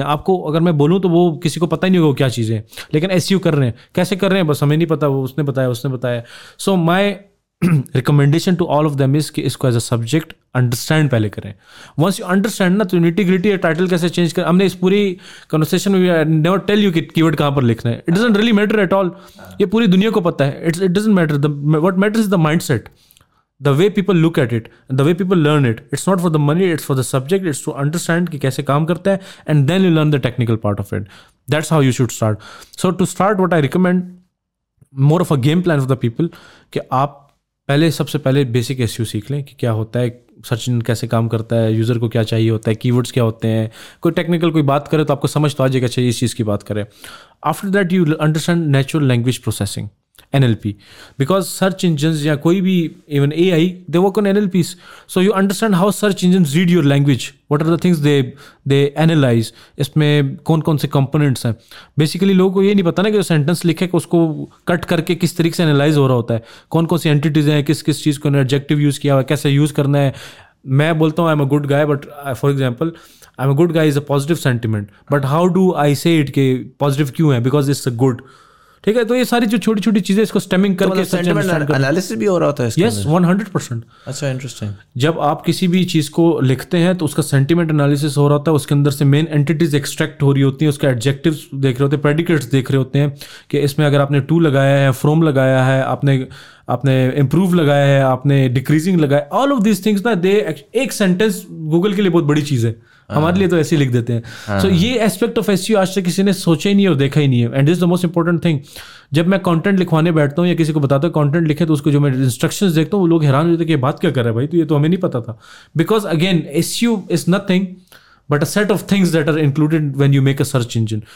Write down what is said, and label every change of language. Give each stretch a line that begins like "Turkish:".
Urdu: آپ کو اگر میں بولوں تو وہ کسی کو پتہ ہی نہیں ہوگا کیا چیزیں, لیکن ایس سی او کر رہے ہیں, کیسے کر رہے ہیں بس ہمیں نہیں پتا, وہ اس نے بتایا, اس نے بتایا.
English: so my recommendation to all of them is
Urdu: کہ اس کو
English: as a subject understand
Urdu: پہلے کریں.
English: once you understand
Urdu: نا, تو انٹیگریٹی یا ٹائٹل کیسے چینج کریں, ہم نے اس پوری کنورسیشن میں
English: never tell you
Urdu: کہ کی ورڈ کہاں پر لکھنا ہے,
English: it doesn't really matter at all,
Urdu: یہ پوری دنیا کو پتہ ہے.
English: It doesn't matter, what matter is the mindset, the way people look at it, the way people learn it. It's not for the money, it's for the subject, it's to understand
Urdu: کہ کیسے کام کرتا ہے,
English: And then you learn the technical part of it. That's how you should start. So to start what I recommend, more of a game plan for the people,
Urdu: کہ آپ پہلے سب سے پہلے basic S you سیکھ لیں کہ کیا ہوتا ہے, سرچ انجن کیسے کام کرتا ہے, یوزر کو کیا چاہیے ہوتا ہے, کی ورڈس کیا ہوتے ہیں, کوئی ٹیکنیکل کوئی بات کرے تو آپ کو سمجھ تو آ جائے گا چاہیے اس چیز کی بات کرے.
English: after that you understand natural language processing NLP, because search engines
Urdu: یا کوئی بھی
English: even AI they work on NLPs, so you understand how search engines read your language, what are the things they analyze,
Urdu: اس میں کون کون سے components ہیں. Basically لوگوں کو یہ نہیں پتا نا کہ جو سینٹینس لکھے کہ اس کو کٹ کر کے کس طریقے سے انالائز ہو رہا ہوتا ہے, کون کون سی اینٹیز ہیں, کس کس چیز کو انہوں نے ایڈجیکٹیو یوز کیا ہوا, کیسے یوز کرنا ہے. میں بولتا ہوں
English: I am a good guy, but for example I am a good guy is a positive sentiment, but how do I say it
Urdu: کہ پازیٹیو کیوں ہے,
English: Because it's a good.
Urdu: ٹھیک ہے, تو یہ ساری جو چھوٹی چھوٹی چیزیں اس کو سٹیمنگ کر کے سینٹیمنٹ انالیسس بھی ہو رہا ہوتا ہے.
English: Yes 100%.
Urdu: اچھا انٹرسٹنگ. جب آپ کسی بھی چیز کو لکھتے ہیں تو اس کا سینٹیمنٹ انالیسس ہو رہا ہوتا ہے, اس کے اندر سے مین اینٹیٹیز ایکسٹریکٹ ہو رہی ہوتی ہیں, اس کے ایڈجیکٹیوز دیکھ رہے ہوتے ہیں, پریڈیکیٹس دیکھ رہے ہوتے ہیں کہ اس میں اگر آپ نے ٹو لگایا ہے, فروم لگایا ہے, آپ نے امپروو لگایا ہے, آپ نے ڈیکریزنگ لگایا ہے,
English: all of these things
Urdu: نا دے. ایک سینٹینس گوگل کے لیے بہت بڑی چیز ہے, ہمارے لیے تو ایسے ہی لکھ دیتے ہیں. سو یہ اسپیکٹ آف SEO آج تک کسی نے سوچا ہی نہیں اور دیکھا ہی نہیں ہے.
English: and this is the most important thing,
Urdu: جب میں کانٹینٹ لکھوانے بیٹھتا ہوں یا کسی کو بتاتا ہوں کانٹینٹ لکھے تو اس کو جو میں انسٹرکشن دیکھتا ہوں وہ لوگ حیران ہو جاتے ہیں کہ یہ بات کیا کر رہا ہے بھائی, تو یہ تو ہمیں نہیں پتا تھا.
English: Because again SEO is nothing but a set of things that are included when you make a search engine.